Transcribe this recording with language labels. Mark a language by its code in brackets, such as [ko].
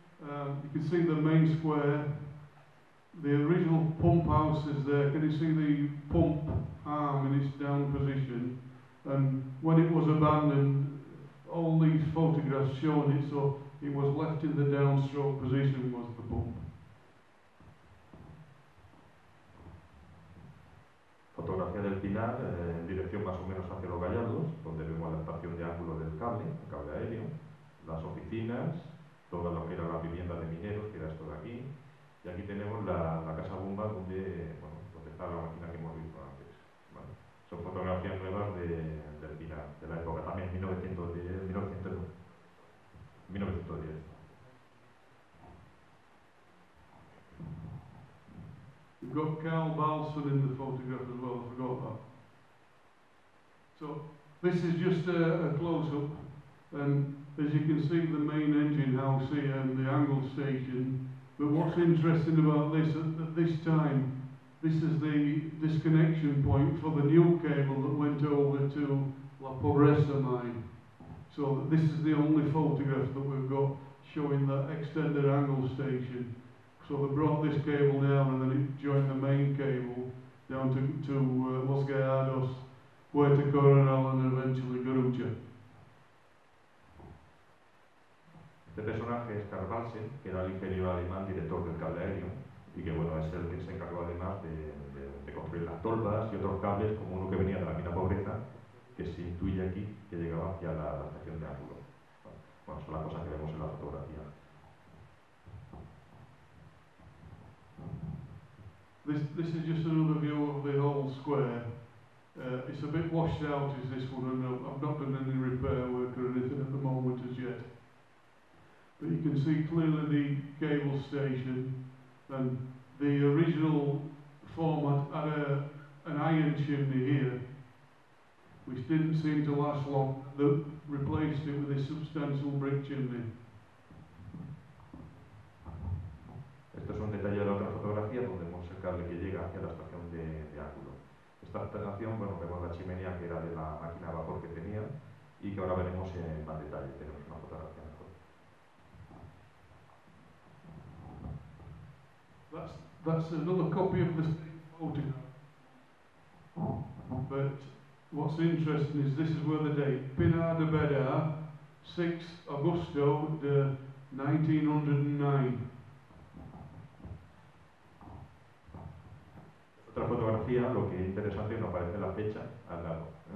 [en] You can see the main square, the original pump house is there. Can you see the pump arm in its down position? And when it was abandoned, all these photographs showing it, so it was left in the downstroke position was the pump. [es] Fotografía del Pinar en dirección más o menos hacia los Gallardos, donde vemos la estación de ángulo del cable, el cable aéreo, las oficinas, todo lo que era la vivienda de mineros, que era esto de aquí, y aquí tenemos la casa bomba donde está la máquina que hemos visto antes. Bueno, son fotografías nuevas del Pinar, de la época, también 1910. [en] We've got Carl Balson in the photograph as well, I forgot that. So, this is just a close-up, and as you can see the main engine house here and the angle station, but what's interesting about this, at this time, this is the disconnection point for the new cable that went over to La Pobreza mine. So this is the only photograph that we've got showing that extended angle station. So they brought this cable down and then it joined the main cable down to Los Gallardos, Puerto Coronel and eventually Garucha. [es] Este personaje es Carl Balsen, que era el ingeniero alemán director del cable aéreo y que bueno, es el que se encargó además de construir las tolvas y otros cables como uno que venía de la mina Pobreza, que se intuye aquí que llegaba hacia la estación de ángulo. Bueno, son las cosas que vemos en la fotografía. [en] This is just another view of the whole square. It's a bit washed out is this one, and I've not done any repair work or anything at the moment as yet. But you can see clearly the cable station, and the original format had an iron chimney here, which didn't seem to last long. They replaced it with a substantial brick chimney. [es] Esto es un detalle de la otra fotografía donde vemos el cable que llega hacia la estación de ángulo. Esta estación, bueno, vemos la chimenea que era de la máquina de vapor que tenía y que ahora veremos en más detalle. Tenemos una fotografía mejor. [en] That's another copy of the same photograph. But what's interesting is this is where the date, Pinar de Bédar, 6 Augusto de 1909. [es] Otra fotografía, lo que es interesante es que no aparece la fecha al lado.